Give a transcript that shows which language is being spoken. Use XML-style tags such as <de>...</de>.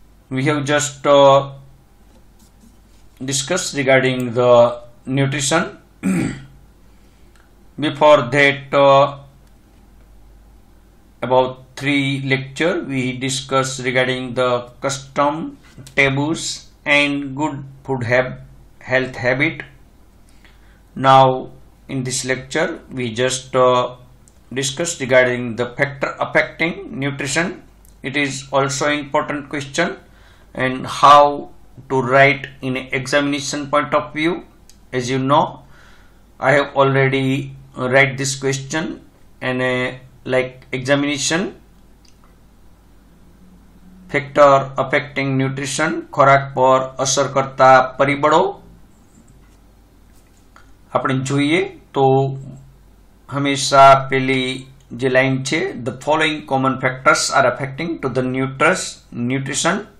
<en>We have just discuss regarding the nutrition. Before that about three lecture we discuss regarding the custom, taboos and good food health habit. Now in this lecture we just discuss regarding the factor affecting nutrition. It is also important question and how to write in examination point of view. As you know, I have already write this question in a like examination. Factor affecting nutrition,</en> <gu>ખોરાક પર અસર કરતા પરિબળો. આપણે જોઈએ તો હંમેશા પેલી જે લાઇન છે,</gu> <en>The following common factors are affecting to the nutrition.</en>